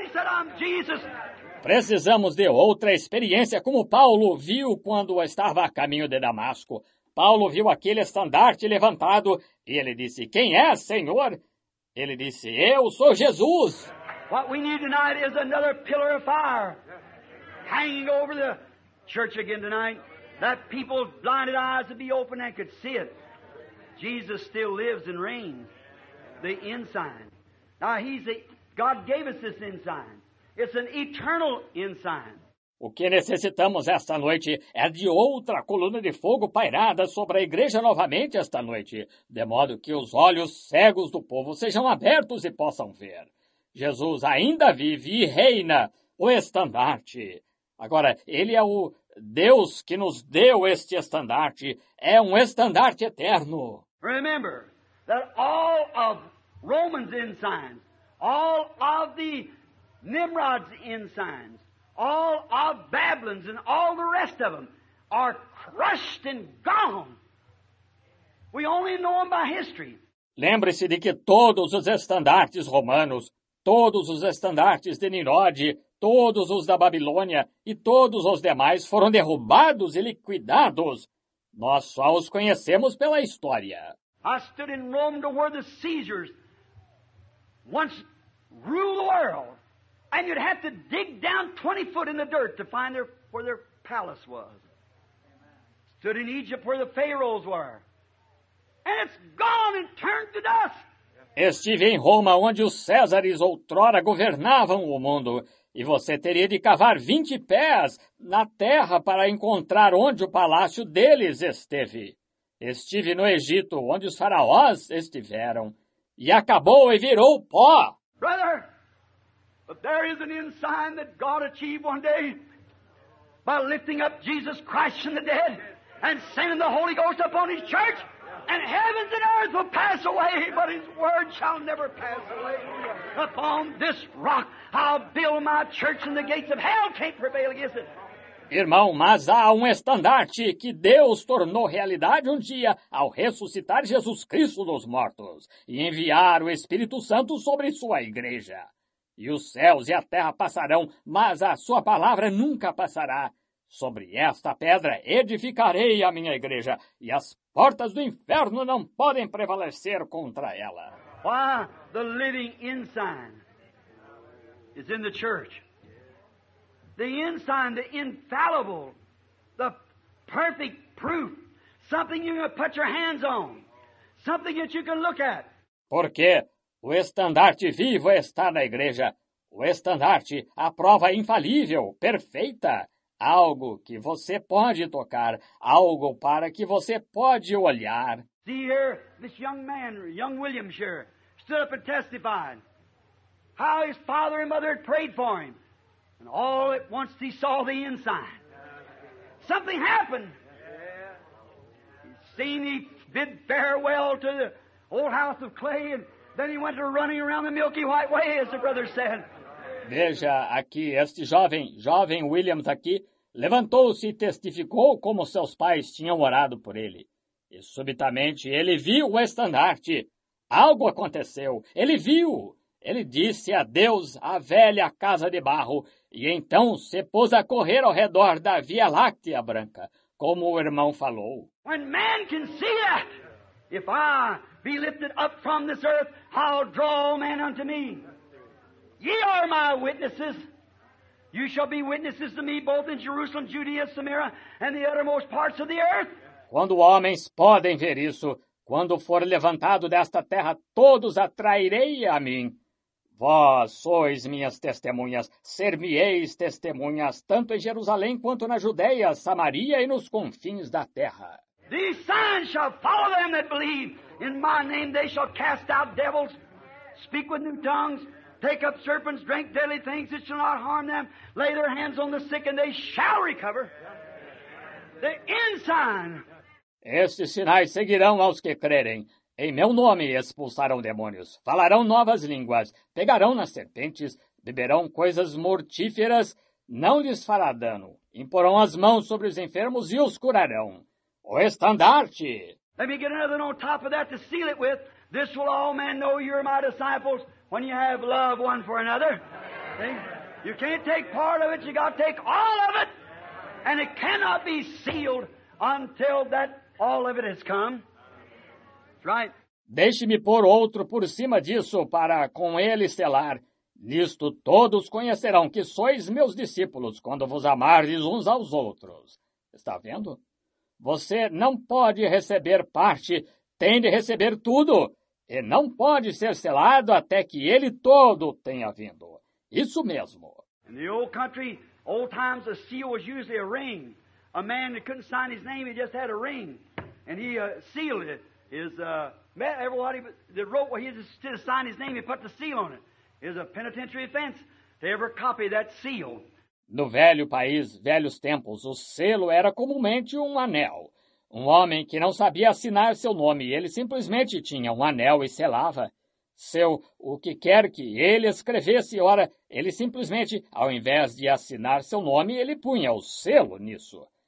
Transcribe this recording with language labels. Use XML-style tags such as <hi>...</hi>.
<en>He said, "I'm Jesus."</en> <pt>Precisamos de outra experiência como Paulo viu quando estava a caminho de Damasco. Paulo viu aquele estandarte levantado e ele disse, "Quem é, Senhor?" Ele disse, "Eu sou Jesus."</pt> <en>What we need tonight is another pillar of fire hanging over the church again tonight, that people's blinded eyes would be open and could see it. Jesus still lives and reigns, the ensign. Now God gave us this ensign. It's an eternal ensign.</en> <pt>O que necessitamos esta noite é de outra coluna de fogo pairada sobre a igreja novamente esta noite, de modo que os olhos cegos do povo sejam abertos e possam ver. Jesus ainda vive e reina, o estandarte. Agora, ele é o Deus que nos deu este estandarte, é um estandarte eterno.</pt> <en>Remember that all of Roman's ensigns, all of the Nimrod's ensigns, all of Babylon's and all the rest of them are crushed and gone. We only know them by history.</en> <pt>Lembre-se de que todos os estandartes romanos, todos os estandartes de Nimrod, todos os da Babilônia e todos os demais foram derrubados e liquidados. Nós só os conhecemos pela história.</pt> <en>I stood in Rome to where the Caesars once ruled the world. And you'd have to dig down 20 foot in the dirt to find where their palace was. Stood in Egypt where the pharaohs were. And it's gone and turned to dust.</en> <pt>Estive em Roma, onde os Césares outrora governavam o mundo. E você teria de cavar 20 pés na terra para encontrar onde o palácio deles esteve. Estive no Egito, onde os faraós estiveram. E acabou e virou pó.</pt> <en>Brother! But there is an ensign that God achieved one day by lifting up Jesus Christ from the dead and sending the Holy Ghost upon His church, and heavens and earth will pass away, but His word shall never pass away. Upon this rock I'll build my church, and the gates of hell can't prevail against it.</en> <pt>Irmão, mas há um estandarte que Deus tornou realidade um dia ao ressuscitar Jesus Cristo dos mortos e enviar o Espírito Santo sobre sua igreja. E os céus e a terra passarão, mas a sua palavra nunca passará. Sobre esta pedra edificarei a minha igreja, e as portas do inferno não podem prevalecer contra ela.</pt> <en>Why the living ensign is in the church. The ensign, the infallible, the perfect proof Something you can put your hands on. Something that you can look at.</en> <pt>Porque o estandarte vivo está na igreja. O estandarte, a prova infalível, perfeita. Algo que você pode tocar. Algo para que você pode olhar.</pt> <en>See here, this young man, young William, sure, stood up and testified how his father and mother had prayed for him. And all at once he saw the inside. Something happened. Seen he bid farewell to the old house of clay, and then he went to running around the milky white way, as the brother said.</en> <pt>Veja aqui, este jovem Williams aqui, levantou-se e testificou como seus pais tinham orado por ele. E subitamente ele viu o estandarte. Algo aconteceu. Ele viu. Ele disse adeus à velha casa de barro, e então se pôs a correr ao redor da Via Láctea Branca, como o irmão falou.</pt> <en>When man can see that, if I be lifted up from this earth, I'll draw man unto me. Ye are my witnesses. You shall be witnesses to me both in Jerusalem, Judea, Samaria, and the uttermost parts of the earth.</en> <pt>Quando homens podem ver isso, quando for levantado desta terra, todos atrairei a mim. Vós sois minhas testemunhas, ser-me-eis testemunhas, tanto em Jerusalém quanto na Judeia, Samaria e nos confins da terra.</pt> <en>These signs shall follow them that believe. In my name they shall cast out devils, speak with new tongues, take up serpents, drink deadly things, it shall not harm them, lay their hands on the sick and they shall recover. The end sign.</en> <pt>Estes sinais seguirão aos que crerem. Em meu nome expulsarão demônios, falarão novas línguas, pegarão nas serpentes, beberão coisas mortíferas, não lhes fará dano, imporão as mãos sobre os enfermos e os curarão. O estandarte!</pt> <en>Let me get another one on top of that to seal it with. This will all men know you're my disciples when you have love one for another. See? You can't take part of it, you got to take all of it. And it cannot be sealed until that all of it has come. Right.</en> <pt>Deixe-me pôr outro por cima disso para com ele selar. Nisto todos conhecerão que sois meus discípulos quando vos amardes uns aos outros. Está vendo? Você não pode receber parte, tem de receber tudo. E não pode ser selado até que ele todo tenha vindo. Isso mesmo.</pt> <en>In the old country, old times, a seal was usually a ring. A man that couldn't sign his name, he just had a ring. And he sealed it. Is everybody that wrote what he just to sign his name, he put the seal on it. Is a penitentiary offense to ever copy that seal.</en> <pt>No velho país, velhos tempos, o selo era comumente um anel. Um homem que não sabia assinar seu nome, ele simplesmente tinha um anel e selava. Seu, o que quer que ele escrevesse, ora, ele simplesmente, ao invés de assinar seu nome, ele punha o selo nisso.</pt>